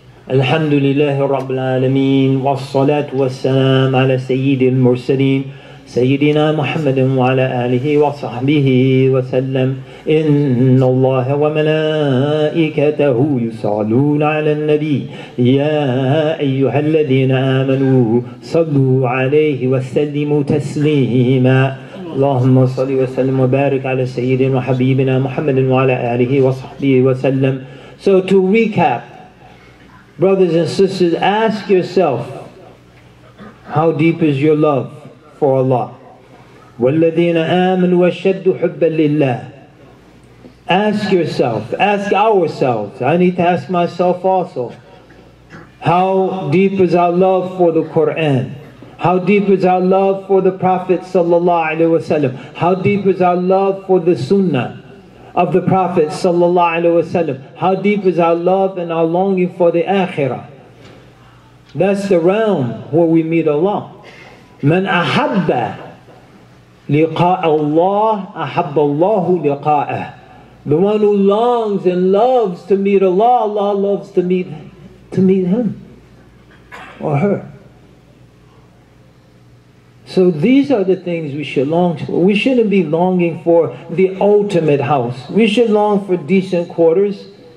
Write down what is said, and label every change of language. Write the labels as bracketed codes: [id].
[ar] الحمد لله رب العالمين والصلاة والسلام على سيد المرسلين سيدنا محمد وعلى آله وصحبه وسلم إن الله وملائكته يصلون على النبي يا أيها الذين آمنوا صلوا عليه وسلموا تسليما اللهم صل وسلم وبارك على سيدنا وحبيبنا محمد وعلى آله وصحبه وسلم. [en] So to recap, brothers and sisters, ask yourself, how deep is your love for Allah? [ar] وَالَّذِينَ آمَنُوا وَشَدُّ حُبَّا لِلَّهِ. [en] Ask yourself, ask ourselves. I need to ask myself also. How deep is our love for the Quran? How deep is our love for the Prophet sallallahu alaihi wasallam? How deep is our love for the Sunnah of the Prophet sallallahu alaihi wasallam? How deep is our love and our longing for the Akhirah? That's the realm where we meet Allah. [ar] من أحب لقاء الله أحب الله لقاءه. [en] The one who longs and loves to meet Allah, Allah loves to meet him or her. So these are the things we should long for. We shouldn't be longing for the ultimate house. We should long for decent quarters.